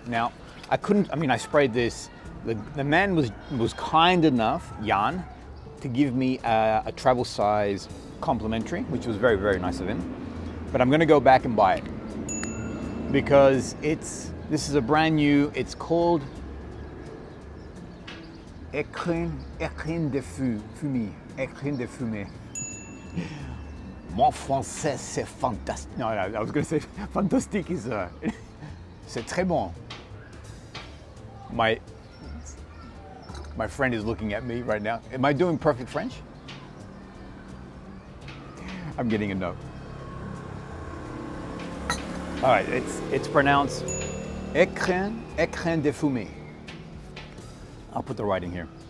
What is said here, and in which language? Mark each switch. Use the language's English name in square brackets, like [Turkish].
[English] Now, I sprayed this. The man was kind enough, Jan, to give me a travel size complimentary, which was very, very nice of him. But I'm gonna go back and buy it because this is a brand new, it's called Ecrin De Fumee, Ecrin De Fumee. [French] Mon français c'est fantastique. [English] No, I was gonna say [French] fantastique is, c'est très bon. [English] My friend is looking at me right now. Am I doing perfect French? I'm getting a note. All right, it's pronounced Ecrin De Fumee. I'll put the writing here.